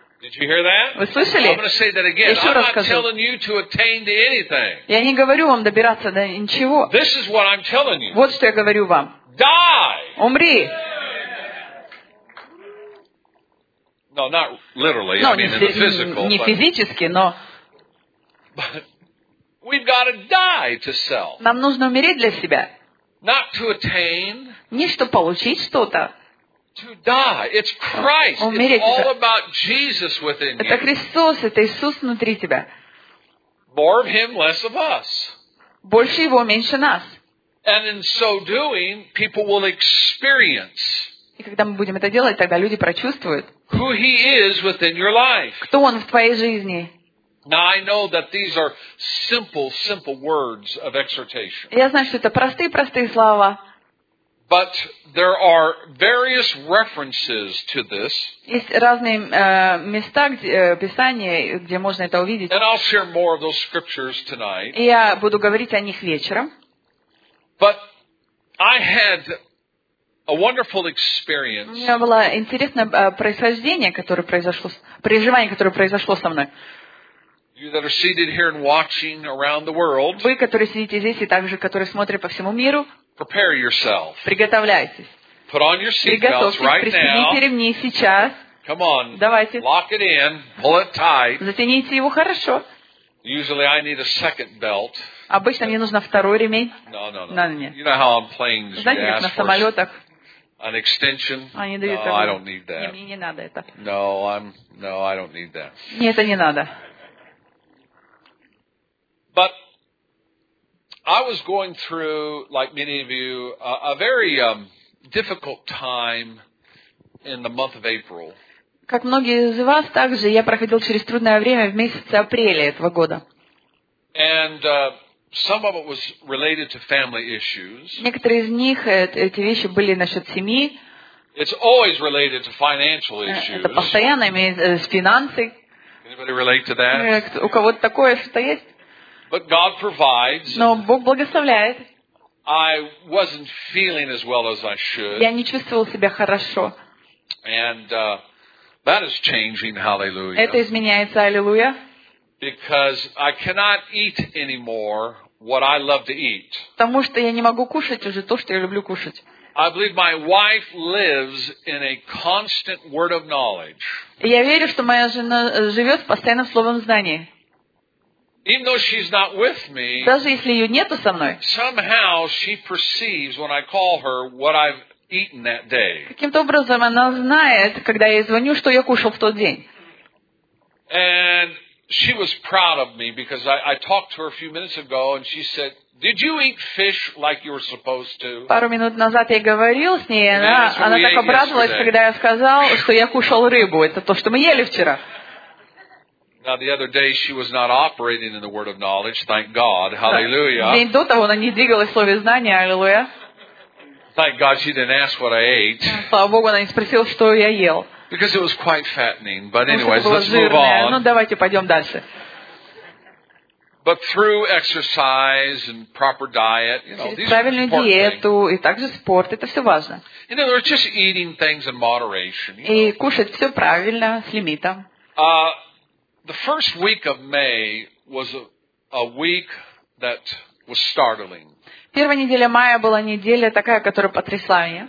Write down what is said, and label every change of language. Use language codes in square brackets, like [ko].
[en] Did you hear that? [ru] Вы слышали? [en] I'm going to say that again. I'm not telling you to attain to anything. [ru] Я не говорю вам добираться до ничего. [en] This is what I'm telling you. [ru] Вот что я говорю вам. [en] Die. [ru] Умри. [en] No, not literally. No, I mean in the physical. [ru] Не физически, но. [en] But we've got to die to self. [ru] Нам нужно умереть для себя. [en] Not to attain. [ru] Не чтобы получить что-то. [en] To die. It's Christ. [ru] Умереть. [en] It's all about Jesus within you. [ru] Это Христос, это Иисус внутри тебя. [en] More of Him, less of us. [ru] Больше Его, меньше нас. [en] And in so doing, people will experience. [ru] И когда мы будем это делать, тогда люди прочувствуют. [en] Who He is within your life. [ru] Кто Он в твоей жизни? [en] Now I know that these are simple, simple words of exhortation. [ru] Я знаю, что это простые слова. [en] But there are various references to this. [ru] Есть разные места в Писании, где можно это увидеть. [en] And I'll share more of those scriptures tonight. [ru] Я буду говорить о них вечером. [en] But I had a wonderful experience. [ru] У меня было интересное происхождение, которое произошло, переживание, которое произошло со мной. [en] You that are seated here and watching around the world. [ru] Вы, которые сидите здесь и также, которые смотрят по всему миру. [en] Prepare yourself. [ru] Приготовляйтесь. [en] Put on your seatbelts right now. [ru] Пристегните ремни сейчас. [en] Come on. [ru] Давайте. [en] Lock it in. Pull it tight. [ru] Затяните его хорошо. [en] Usually I need a second belt. [ru] Обычно мне нужно второй ремень. [en] No. You know how on planes, [ru] знаете, [en] you ask [ru] на самолетах. [en] An extension? [ru] Они дают. [en] No, I don't need that. [ru] Мне не надо это. [en] No, I don't need that. [ru] Мне это не надо. [en] But I was going through, like many of you, a very difficult time in the month of April. [ru] Как многие из вас, также я проходил через трудное время в месяце апреля этого года. [en] And some of it was related to family issues. [ru] Некоторые из них, эти вещи были насчет семьи. [en] It's always related to financial issues. [ru] Это постоянно имеет с финансы. [en] Anybody relate to that? [ru] У кого-то такое что-то есть? [en] But God provides. [ru] Но Бог благословляет. [en] I wasn't feeling as well as I should. [ru] Я не чувствовал себя хорошо. [en] And that is changing, hallelujah. [ru] Это изменяется, аллилуйя. [en] Because I cannot eat anymore what I love to eat. [ru] Потому что я не могу кушать уже то, что я люблю кушать. [en] I believe my wife lives in a constant word of knowledge. [ru] Я верю, что моя жена живет постоянно словом знания. [en] Even though she's not with me, [ru] даже если ее нету со мной, [en] somehow she perceives when I call her what I've eaten that day. [ru] Каким-то образом она знает, когда я ей звоню, что я кушал в тот день. [en] And she was proud of me because I talked to her a few minutes ago and she said, "Did you eat fish like you were supposed to?" [ru] Пару минут назад я говорил с ней, она так обрадовалась, когда я сказал, что я кушал рыбу. Это то, что мы ели вчера. [en] Now the other day she was not operating in the word of knowledge. Thank God, hallelujah. [ru] День до того она не двигалась в слове знания, аллилуйя. [en] Thank God she didn't ask what I ate. [ru] Слава Богу, она не спросила, что я ел. [en] Because it was quite fattening. But anyways, let's move on. [ru] Ну давайте пойдем дальше. [en] But through exercise and proper diet, you know, these [ru] правильную [en] are [ru] диету и также спорт, это все важно. [en] In other words, just eating things in moderation. [ru] И кушать все правильно с лимитом. [en] The first week of May was a week that was startling. [ru] Первая неделя мая была неделя такая, которая потрясла меня.